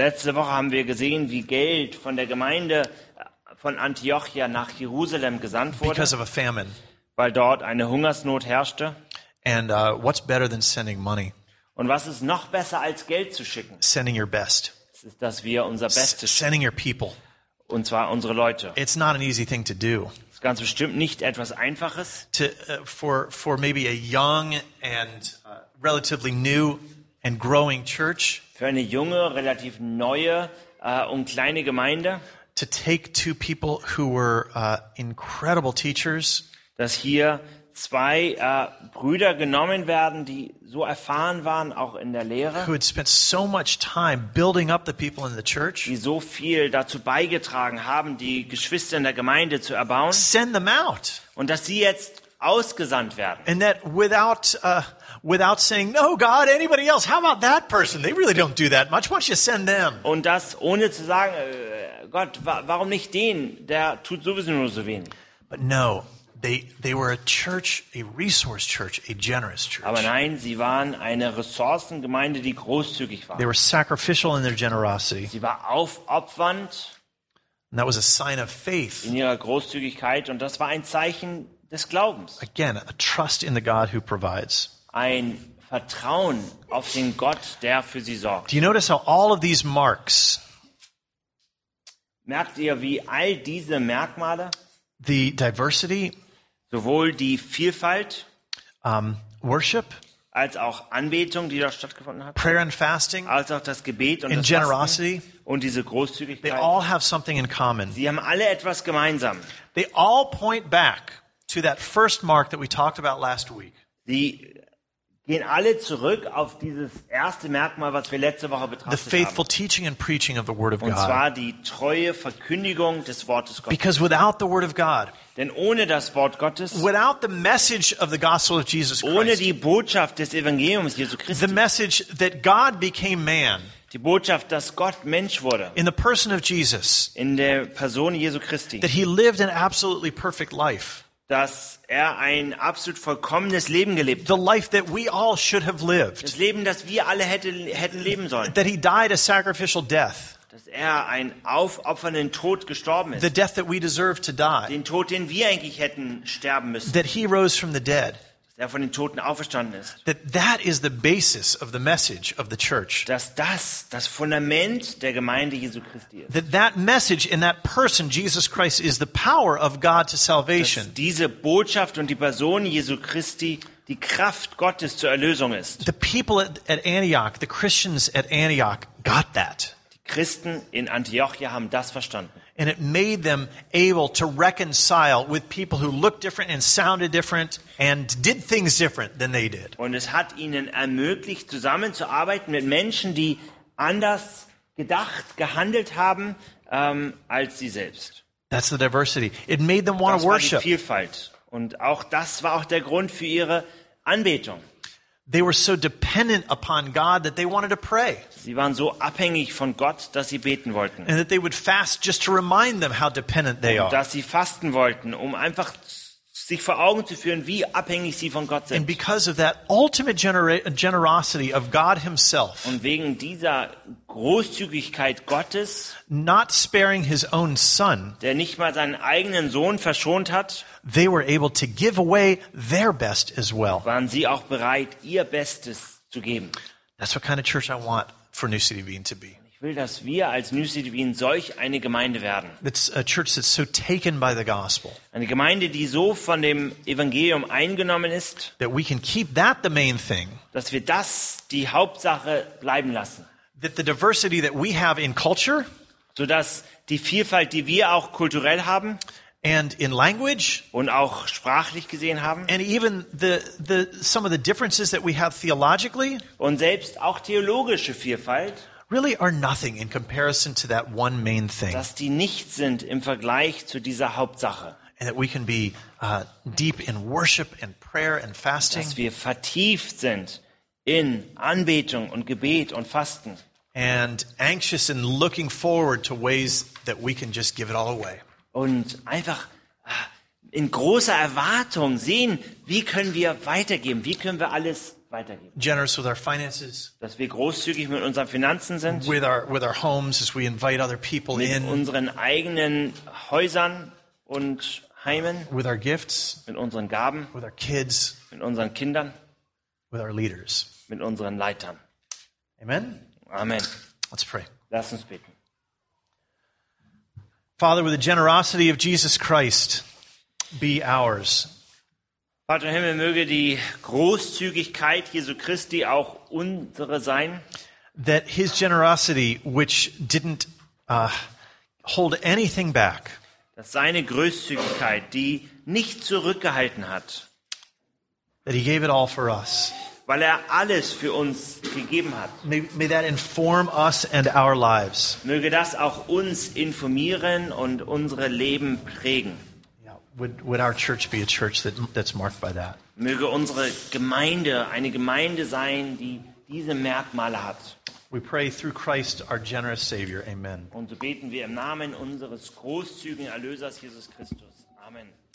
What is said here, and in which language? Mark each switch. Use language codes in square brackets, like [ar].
[de] Letzte Woche haben wir gesehen, wie Geld von der Gemeinde von Antiochia nach Jerusalem gesandt wurde. [en] Because of a famine. [de] Weil dort eine Hungersnot herrschte. [en] And what's better than sending money? [de] Und was ist noch besser als Geld zu schicken? [en] Sending your best. [de] Es ist, dass wir unser Bestes schicken. [en] Sending your people. [de] Und zwar unsere Leute. [en] It's not an easy thing to do. [de] Es ist ganz bestimmt nicht etwas Einfaches. [en] For maybe a young and relatively new and growing church. [de] Für eine junge, relativ neue und kleine Gemeinde. [en] To take 2 people who were incredible teachers. [de] Dass hier 2 Brüder genommen werden, die so erfahren waren, auch in der Lehre. [en] Who had spent so much time building up the people in the church. [de] Die so viel dazu beigetragen haben, die Geschwister in der Gemeinde zu erbauen. [en] Send them out. [de] Und dass sie jetzt ausgesandt werden. [en] And that without saying, no, God, anybody else, how about that person? They really don't do that much. Why don't you send them? [de] Und das ohne zu sagen, Gott, warum nicht den? Der tut sowieso nur so wenig. [en] But no, They were a church, a resource church, a generous church. [de] Aber nein, sie waren eine Ressourcengemeinde, die großzügig war. [en] They were sacrificial in their generosity. [de] Sie war aufopfernd. [en] And that was a sign of faith. [de] In ihrer Großzügigkeit, und das war ein Zeichen des Glaubens. [en] Again, a trust in the God who provides. [de] Ein Vertrauen auf den Gott, der für sie sorgt. [en] Do you notice how all of these marks? [de] Merkt ihr, wie all diese Merkmale? [en] The diversity, [de] sowohl die Vielfalt, [en] worship, [de] als auch Anbetung, die da stattgefunden hat, [en] prayer and fasting, [de] als auch das Gebet und [en] in [de] das [en] generosity, [de] Fasten und diese Großzügigkeit, [en] they all have something in common. [de] Sie haben alle etwas gemeinsam. [en] They all point back to that first mark that we talked about last week. [de] Sie gehen alle zurück auf dieses erste Merkmal, was wir letzte Woche betrachtet haben. [en] The faithful teaching and preaching of the Word of God. [de] Und zwar die treue Verkündigung des Wortes Gottes. [en] Because without the Word of God, [de] denn ohne das Wort Gottes, [en] without the message of the Gospel of Jesus Christ, [de] ohne die Botschaft des Evangeliums Jesu Christi, [en] the message that God became man, [de] die Botschaft, dass Gott Mensch wurde, [en] in the person of Jesus, [de] in der Person Jesu Christi, [en] that he lived an absolutely perfect life, [de] dass er ein absolut vollkommenes Leben gelebt hat. [en] The life that we all should have lived. [de] Das Leben, das wir alle hätten leben sollen. [en] That he died a sacrificial death. [de] Dass er einen aufopfernden Tod gestorben ist. [en] The death that we deserve to die. [de] Den Tod, den wir eigentlich hätten sterben müssen. [en] That he rose from the dead. [de] Dass er von den Toten auferstanden ist. [en] That is the basis of the message of the church. [de] Dass das Fundament der Gemeinde Jesu Christi ist. [en] That message in that person Jesus Christ is the power of God to salvation. [de] Dass diese Botschaft und die Person Jesu Christi die Kraft Gottes zur Erlösung ist. [en] The people at Antioch, the Christians at Antioch got that. [de] Die Christen in Antiochia haben das verstanden. [en] And it made them able to reconcile with people who looked different and sounded different and did things different than they did. [de] Und es hat ihnen ermöglicht, zusammenzuarbeiten mit Menschen, die anders gedacht, gehandelt haben, als sie selbst. [en] That's the diversity. It made them want to worship. [de] Das war die Vielfalt. Und auch das war auch der Grund für ihre Anbetung. [en] They were so dependent upon God that they wanted to pray. [de] Sie waren so abhängig von Gott, dass sie beten wollten. [en] And that they would fast just to remind them how dependent they are. [de] Dass sie fasten wollten, um einfach sich vor Augen zu führen, wie abhängig sie von Gott sind. [en] And because of that ultimate generosity of God himself. [de] Und wegen dieser Großzügigkeit Gottes, [en] not sparing his own son, [de] der nicht mal seinen eigenen Sohn verschont hat, [en] they were able to give away their best as well. [de] Waren sie auch bereit, ihr Bestes zu geben. [en] That's what kind of church I want for New City Wien to be. [de] Ich will, dass wir als New City Wien solch eine Gemeinde werden. [en] It's a church that's so taken by the gospel. [de] Eine Gemeinde, die so von dem Evangelium eingenommen ist, [en] that we can keep that the main thing. [de] Dass wir das die Hauptsache bleiben lassen. [en] That the diversity that we have in culture, [de] so dass die Vielfalt, die wir auch kulturell haben, [en] and in language, [de] und auch sprachlich gesehen haben, [en] and even the some of the differences that we have theologically, [de] und selbst auch theologische Vielfalt, [en] really are nothing in comparison to that one main thing. [de] Dass die nichts sind im Vergleich zu dieser Hauptsache. [en] And that we can be deep in worship and prayer and fasting. [de] Dass wir vertieft sind in Anbetung und Gebet und Fasten. [en] And anxious and looking forward to ways that we can just give it all away. [de] Und einfach in großer Erwartung sehen, wie können wir weitergeben? Wie können wir alles weitergeben? [en] Generous with our finances, [de] dass wir großzügig mit unseren Finanzen sind, [en] with our homes as we invite other people [de] mit [en] in, [de] unseren eigenen Häusern und Heimen, [en] with our gifts, [de] mit unseren Gaben, [en] with our kids, [de] mit unseren Kindern, [en] with our leaders, [de] mit unseren Leitern. [en] Amen. [de] Amen. [en] Let's pray. [de] Lass uns beten. [en] Father, with the generosity of Jesus Christ, be ours. [de] Vater im Himmel, möge die Großzügigkeit Jesu Christi auch unsere sein. [en] That his generosity, which didn't hold anything back, [de] dass seine Großzügigkeit, die nicht zurückgehalten hat, [en] that he gave it all for us, [de] weil er alles für uns gegeben hat. [en] May that inform us and our lives. [de] Möge das auch uns informieren und unsere Leben prägen. [en] Would our church be a church that's marked by that? [de] Möge unsere Gemeinde eine Gemeinde sein, die diese Merkmale hat. [en] We pray through Christ, our generous Savior. Amen. [de] Und so beten wir im Namen unseres großzügigen Erlösers Jesus Christus. Amen.